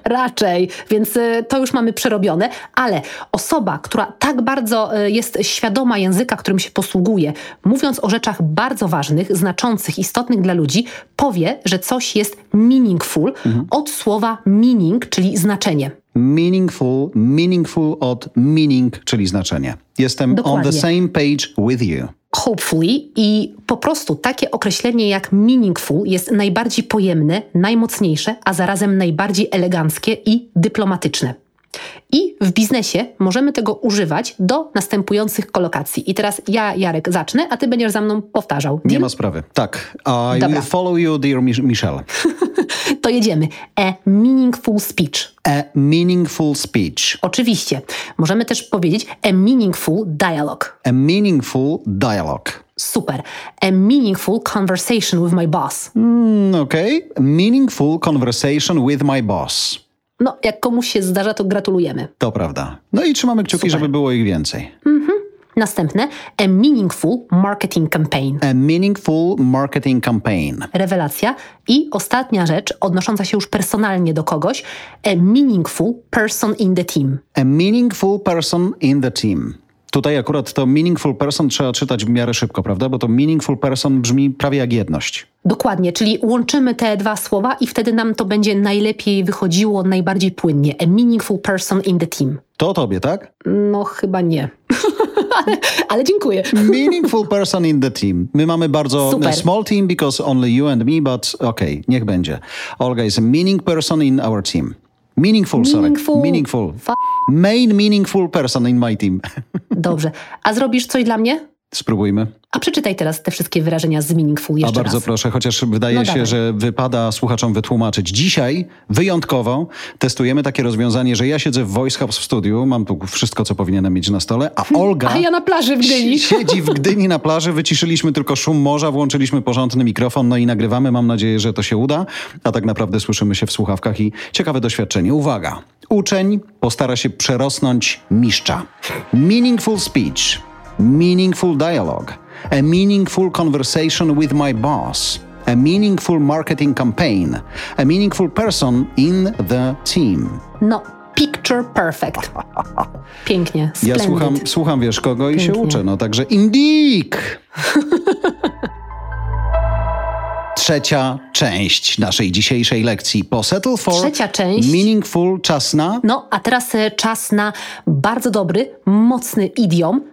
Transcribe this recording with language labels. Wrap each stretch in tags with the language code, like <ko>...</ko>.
<pl>Raczej, więc to już mamy przerobione, ale osoba, która tak bardzo jest świadoma języka, którym się posługuje, mówiąc o rzeczach bardzo ważnych, znaczących, istotnych dla ludzi, powie, że coś jest meaningful od słowa meaning, czyli znaczenie. Meaningful, meaningful od meaning, czyli znaczenie. Jestem</pl> <en>on the same page with you. Hopefully.</en> <pl>I po prostu takie określenie jak meaningful jest najbardziej pojemne, najmocniejsze, a zarazem najbardziej eleganckie i dyplomatyczne. I w biznesie możemy tego używać do następujących kolokacji. I teraz ja, Jarek, zacznę, a ty będziesz za mną powtarzał. Nie ma sprawy. Tak.</pl> <en>I will follow you, dear Michelle.</en> <pl>To jedziemy.</pl> <en>A meaningful speech. A meaningful speech.</en> <pl>Oczywiście. Możemy też powiedzieć</pl> <en>a meaningful dialogue. A meaningful dialogue.</en> <pl>Super.</pl> <en>A meaningful conversation with my boss.</en> <pl>Okej. Okay.</pl> <en>Meaningful conversation with my boss.</en> <pl>No, jak komuś się zdarza, to gratulujemy. To prawda. No i trzymamy kciuki, super, żeby było ich więcej. Mhm. Następne.</pl> <en>A meaningful marketing campaign. A meaningful marketing campaign.</en> <pl>Rewelacja. I ostatnia rzecz, odnosząca się już personalnie do kogoś.</pl> <en>A meaningful person in the team. A meaningful person in the team.</en> <pl>Tutaj akurat to meaningful person trzeba czytać w miarę szybko, prawda? Bo to meaningful person brzmi prawie jak jedność. Dokładnie, czyli łączymy te dwa słowa i wtedy nam to będzie najlepiej wychodziło, najbardziej płynnie.</pl> <en>A meaningful person in the team.</en> <pl>To tobie, tak? No chyba nie. Ale dziękuję.</pl> <en>Meaningful person in the team.</en> <pl>My mamy bardzo</pl> <en>super small team, because only you and me, but okay,</en> <pl>niech będzie.</pl> <en>Olga is a meaning person in our team. Meaningful, meaningful, sorry. Meaningful. Main meaningful person in my team.</en> <pl>Dobrze. A zrobisz coś dla mnie? Spróbujmy. A przeczytaj teraz te wszystkie wyrażenia z meaningful jeszcze raz. A bardzo raz proszę, chociaż wydaje no się, dawaj, że wypada słuchaczom wytłumaczyć. Dzisiaj wyjątkowo testujemy takie rozwiązanie, że ja siedzę w Voice Hubs w studiu, mam tu wszystko, co powinienem mieć na stole, a Olga... A ja na plaży w Gdyni. Siedzi w Gdyni na plaży, wyciszyliśmy tylko szum morza, włączyliśmy porządny mikrofon, no i nagrywamy, mam nadzieję, że to się uda, a tak naprawdę słyszymy się w słuchawkach i ciekawe doświadczenie. Uwaga! Uczeń postara się przerosnąć mistrza.</pl> <en>Meaningful speech. Meaningful dialogue. A meaningful conversation with my boss. A meaningful marketing campaign. A meaningful person in the team. No, picture perfect. Pięknie, splendid.</en> <pl>Ja słucham wiesz kogo i pięknie się uczę. No także indeed! Trzecia część naszej dzisiejszej lekcji. Po settle for, trzecia część, meaningful, czas na... No, a teraz czas na bardzo dobry, mocny idiom.</pl>